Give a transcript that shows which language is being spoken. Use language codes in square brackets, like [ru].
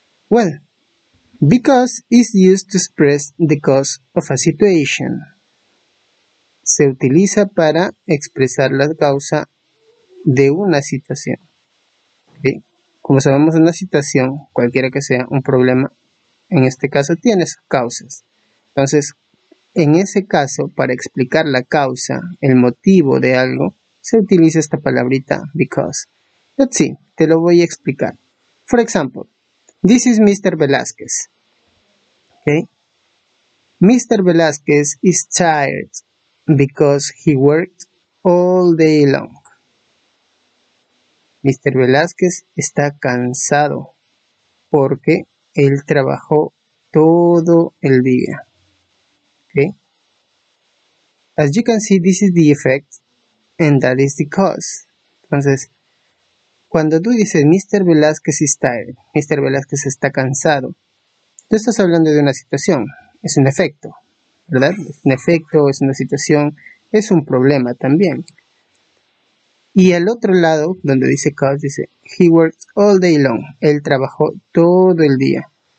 [en] Well, because is used to express the cause of a situation. [es] Se utiliza para expresar la causa de una situación. ¿Sí? Como sabemos, una situación, cualquiera que sea, un problema, en este caso tiene sus causas. Entonces, en ese caso, para explicar la causa, el motivo de algo, se utiliza esta palabrita because. [en] Let's see, [es] te lo voy a explicar. [en] For example, this is Mr. Velázquez. Okay? Mr. Velázquez is tired Because he worked all day long. Mr. [es] Velázquez está cansado porque él trabajó todo el día. [en] Okay. As you can see, this is the effect and that is the cause. [es] Entonces, cuando tú dices [en] Mr. Velázquez is tired, Mr. [es] Velázquez está cansado, tú estás hablando de una situación, es un efecto, ¿verdad? Es un efecto, es una situación, es un problema también. Y al otro lado, donde dice cause, dice [en] he worked all day long, [es] él trabajó todo el día.